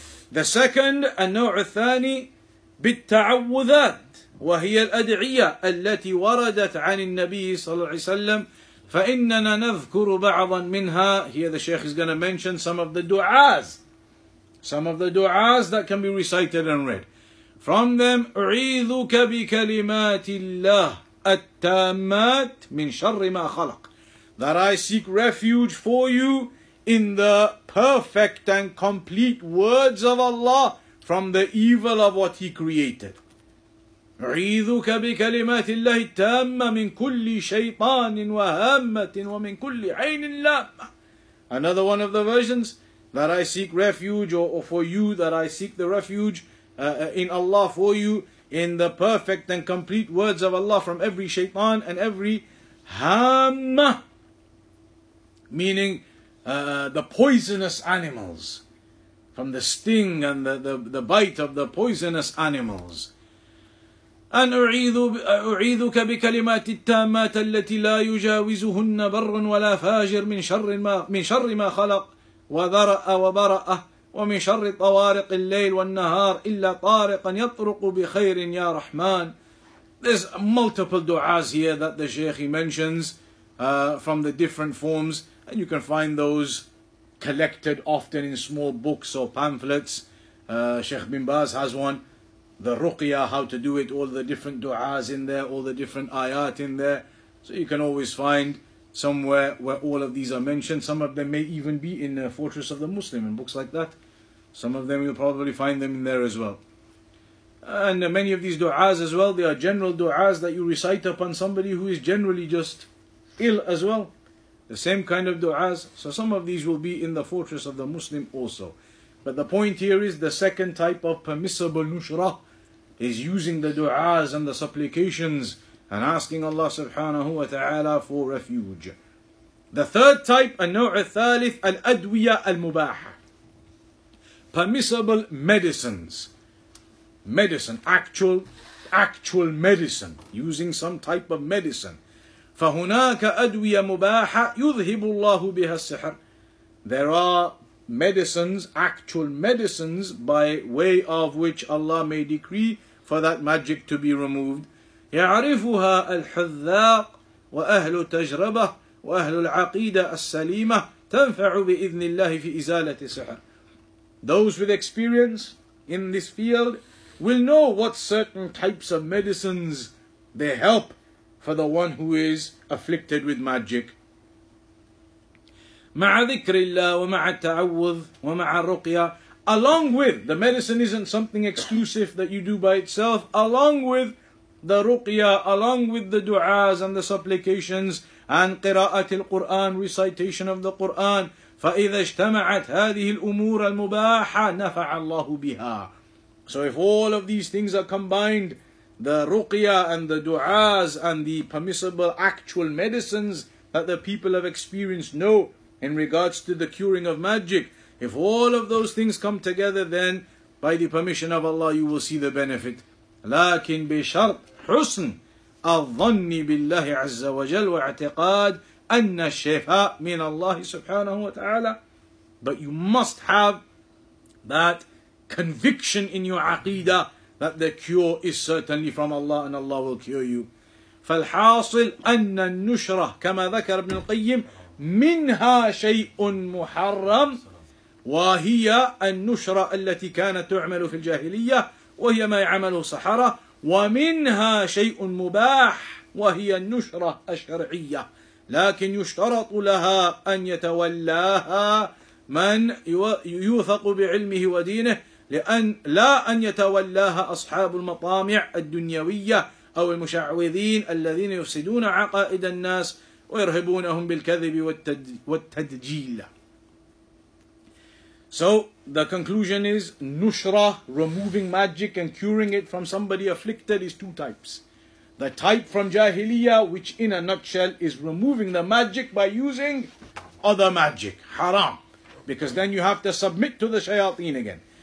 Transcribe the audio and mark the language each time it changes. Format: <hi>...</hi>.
<en>The second,</en> <ar>النوع الثاني, بالتعوذات وهي الأدعية التي وردت عن النبي صلى الله عليه وسلم فإننا نذكر بعضا منها.</ar> <en>Here the Shaykh is going to mention some of the du'as. Some of the du'as that can be recited and read. From them,</en> <ar>أعيذك بكلمات الله التامات من شر ما خلق.</ar> <en>That I seek refuge for you in the perfect and complete words of Allah from the evil of what He created.</en> <ar>عيذك بكلمات الله التامة من كل شيطان وهامة ومن كل عين لامة.</ar> <en>Another one of the versions, that I seek refuge, or for you, that I seek the refuge in Allah for you in the perfect and complete words of Allah from every shaitan and every hamma, meaning the poisonous animals, from the sting and the bite of the poisonous animals.</en> <ar>أن أعيذك بكلمات التامات التي لا يجاوزهن بر ولا فاجر من شر ما خلق وذرأ وبرأ ومن شر طوارق الليل والنهار إلا طارقا يطرق بخير يا رحمن.</ar> <en>There's multiple du'as here that the Shaykh mentions from the different forms, and you can find those collected often in small books or pamphlets. Sheikh bin Baz has one, the ruqya, how to do it, all the different du'as in there, all the different ayat in there. So you can always find somewhere where all of these are mentioned. Some of them may even be in the Fortress of the Muslim, in books like that. Some of them you'll probably find them in there as well. And many of these du'as as well, they are general du'as that you recite upon somebody who is generally just ill as well. The same kind of du'as. So some of these will be in the Fortress of the Muslim also. But the point here is the second type of permissible nushrah is using the du'as and the supplications and asking Allah subhanahu wa ta'ala for refuge. The third type,</en> <ar>النوع الثالث, الأدوية المباحة.</ar> <en>Permissible medicines. Medicine, actual actual medicine, using some type of medicine.</en> <ar>فَهُنَاكَ أَدْوِيَ مُبَاحَ يُذْهِبُ اللَّهُ بِهَا السِّحْرَ.</ar> <en>There are medicines, actual medicines, by way of which Allah may decree for that magic to be removed.</en> <ar>يَعْرِفُهَا الْحُذَّاقُ وَأَهْلُ تَجْرَبَةُ وَأَهْلُ الْعَقِيدَةُ السَّلِيمَةُ تَنْفَعُ بِإِذْنِ اللَّهِ فِي إِزَالَةِ السِّحْرَ.</ar> <en>Those with experience in this field will know what certain types of medicines they help for the one who is afflicted with magic.</en> <ar>مع ذكر الله ومع التعوذ ومع الرقية.</ar> <en>Along with, the medicine isn't something exclusive that you do by itself, along with the ruqya, along with the du'as and the supplications, and</en> <ar>قراءة القرآن,</ar> <en>recitation of the Qur'an.</en> <ar>فإذا اجتمعت هذه الأمور المباحة نفع الله بها.</ar> <en>So if all of these things are combined, the ruqya and the du'as and the permissible actual medicines that the people have experienced know in regards to the curing of magic, if all of those things come together, then by the permission of Allah, you will see the benefit.</en> <ar>لكن بشرط حسن الظن بالله عز وجل واعتقاد أن الشفاء من الله سبحانه وتعالى.</ar> <en>But you must have that conviction in your aqidah that the cure is certainly from Allah and Allah will cure you.</en> <ar>فالحاصل أن النشرة كما ذكر ابن القيم منها شيء محرم وهي النشرة التي كانت تعمل في الجاهلية وهي ما يعمل صحرة ومنها شيء مباح وهي النشرة الشرعية لكن يشترط لها أن يتولاها من يوثق بعلمه ودينه لأن لا أن يتولاها أصحاب المطامع الدنيوية أو المشعوذين الذين يفسدون عقائد الناس ويرهبونهم بالكذب والتدجيل.</ar> <en>So the conclusion is nushra, removing magic and curing it from somebody afflicted, is two types. The type from jahiliya, which in a nutshell is removing the magic by using other magic, haram, because then you have to submit to the shayateen again.</en>